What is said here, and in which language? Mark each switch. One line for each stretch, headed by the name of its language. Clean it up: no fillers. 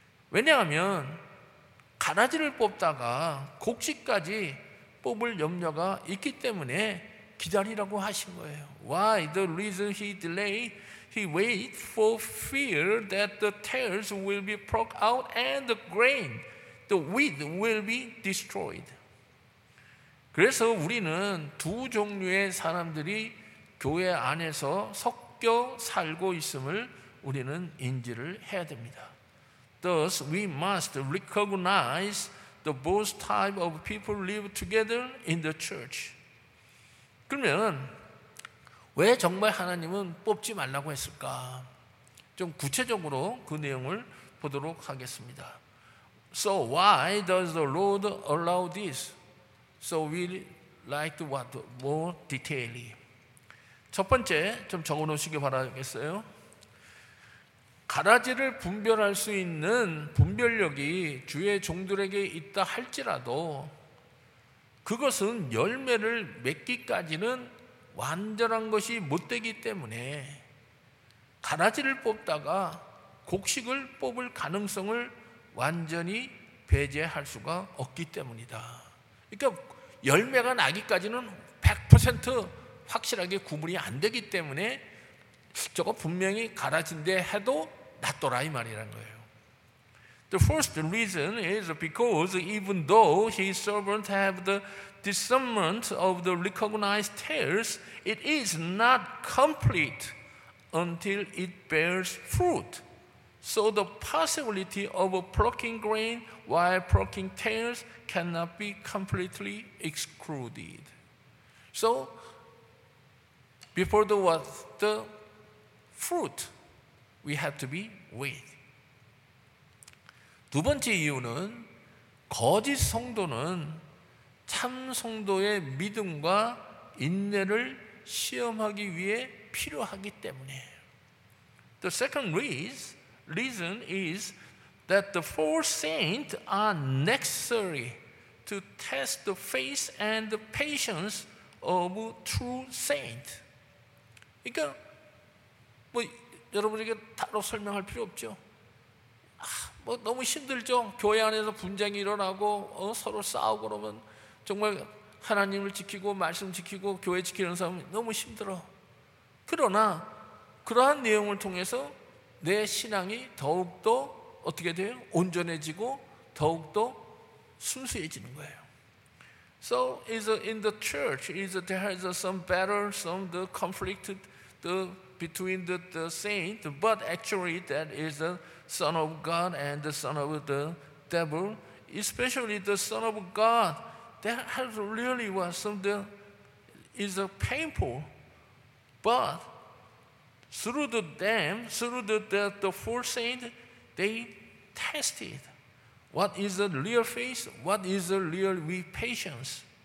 Korean: 왜냐하면 가라지를 뽑다가 곡식까지 뽑을 염려가 있기 때문에 기다리라고 하신 거예요.
English: Why the reason he delayed? He waited for fear that the tares will be plucked out and the grain, the wheat will be destroyed.
Korean: 그래서 우리는 두 종류의 사람들이 교회 안에서 섞여 살고 있음을 우리는 인지를 해야 됩니다.
English: Thus, we must recognize the both type of people live together in the church.
Korean: 그러면 왜 정말 하나님은 뽑지 말라고 했을까? 좀 구체적으로 그 내용을 보도록 하겠습니다.
English: So why does the Lord allow this? So we like to what more detailly.
Korean: 첫 번째 좀 적어놓으시기 바라겠어요. 가라지를 분별할 수 있는 분별력이 주의 종들에게 있다 할지라도 그것은 열매를 맺기까지는 완전한 것이 못 되기 때문에 가라지를 뽑다가 곡식을 뽑을 가능성을 완전히 배제할 수가 없기 때문이다. 그러니까 열매가 나기까지는 100% 확실하게 구분이 안 되기 때문에 저거 분명히 가라진데 해도 낫더라 이 말이란 거예요.
English: The first reason is because even though his servants have the discernment of the recognized tares, it is not complete until it bears fruit. So the possibility of plucking grain while plucking tares cannot be completely excluded. So before the fruit, we have to be wait.
Korean: 두 번째 이유는 거짓 성도는 참 성도의 믿음과 인내를 시험하기 위해 필요하기 때문에.
English: The second reason is that the false saints are necessary to test the faith and the patience of true saints.
Korean: 그러니까 뭐 여러분에게 따로 설명할 필요 없죠. 뭐 너무 힘들죠. 교회 안에서 분쟁이 일어나고 서로 싸우고 그러면 정말 하나님을 지키고 말씀 지키고 교회 지키는 사람은 너무 힘들어. 그러나 그러한 내용을 통해서 내 신앙이 더욱더 어떻게 돼요? 온전해지고 더욱더 순수해지는 거예요.
English: So in the church, there is some battle, some the conflict between the saint, but actually that is the son of God and the son of the devil. Especially the son of God, that has really was some the is a painful, but through the four saints, they tested what is the real faith, what is the real patience.